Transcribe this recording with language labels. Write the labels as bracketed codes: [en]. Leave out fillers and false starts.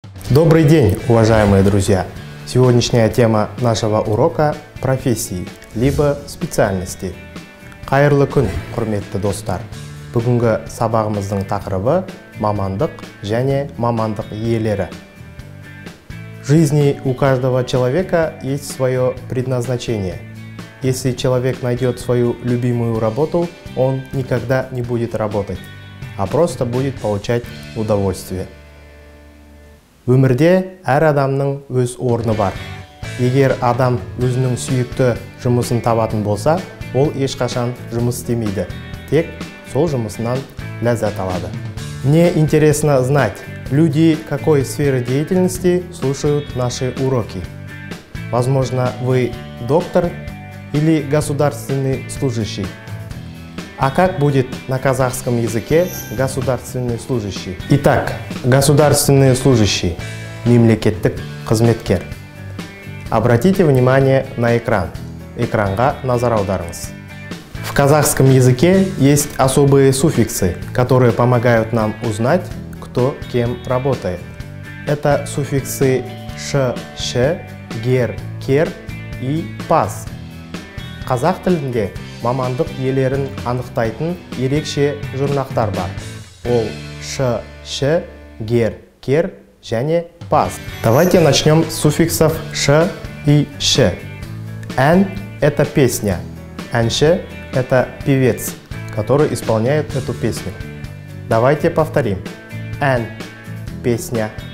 [ru] Добрый день, уважаемые друзья! Сегодняшняя тема нашего урока – профессии, либо специальности. [kk] Қайырлы күн, құрметті достар! Бүгінгі сабағымыздың тақырыбы – мамандық және мамандық иелері. [ru] В жизни у каждого человека есть свое предназначение. Если человек найдет свою любимую работу, он никогда не будет работать, а просто будет получать удовольствие. [kk] Өмірде әр адамның өз орны бар. Егер адам өзінің сүйікті жұмысын табатын болса, ол ешқашан жұмыс істемейді. Тек сол жұмысынан ләззат алады. [ru] Мне интересно знать, люди какой сферы деятельности слушают наши уроки. Возможно, вы доктор или государственный служащий. А как будет на казахском языке государственный служащий? Итак, государственный служащий, [kk] мемлекеттік қызметкер. [ru] Обратите внимание на экран. [kk] Экранға назар аударыңыз. [ru] В казахском языке есть особые суффиксы, которые помогают нам узнать, кто кем работает. Это суффиксы «ш», «ш», «гер», «кер» и «пас». [kk] Казах тілінде мамандық иелерін анықтайтын ерекше жұрнақтар бар. Ол «ш», «ш», «гер», «кер» және «пас». [ru] Давайте начнем с суффиксов «ш» и «ш». «Ән» – это песня. «Әнші» – это певец, который исполняет эту песню. Давайте повторим. «Ән» – песня.